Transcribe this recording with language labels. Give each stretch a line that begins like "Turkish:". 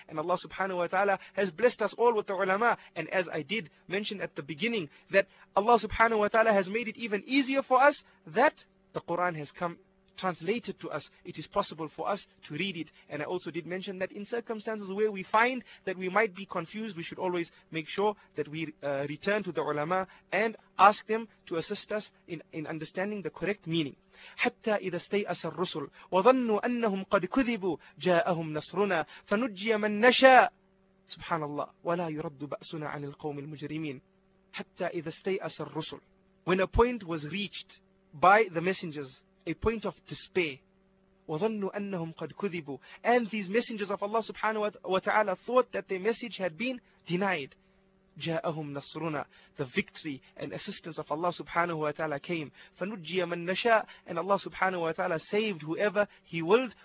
English: And Allah subhanahu wa ta'ala has blessed us all with the ulama. And as I did mention at the beginning, that Allah subhanahu wa ta'ala has made it even easier for us, that the Quran has come translated to us, it is possible for us to read it. And I also did mention that in circumstances where we find that we might be confused, we should always make sure that we return to the ulama and ask them to assist us in understanding the correct meaning.
Arabic: حَتَّى إِذَا اسْتَيْأَسَ الرُّسُلُ وَظَنُّوا أَنَّهُمْ قَدْ كُذِبُوا جَاءَهُمْ نَصْرُنَا فَنُجِّيَ مَنْ نَشَاءُ سبحان الله وَلَا يُرَدُّ بَأْسُنَا عَنِ الْقَوْمِ الْمُجْرِمِينَ حَتَّى إِذَا اسْتَيْأَسَ الرُّسُلُ
English: When a point was reached by the messengers, a point of despair.
Arabic: وَظَنُّوا أَنَّهُمْ قَدْ كُذِبُوا
English: And these messengers of Allah subhanahu wa ta'ala thought that their message had been denied.
Arabic: جَاءَهُمْ نَصْرُنَا
English: The victory and assistance of Allah subhanahu wa ta'ala came.
Arabic: فَنُجِّيَ مَنْ نَشَاءَ
English: And Allah subhanahu wa ta'ala saved whoever He willed.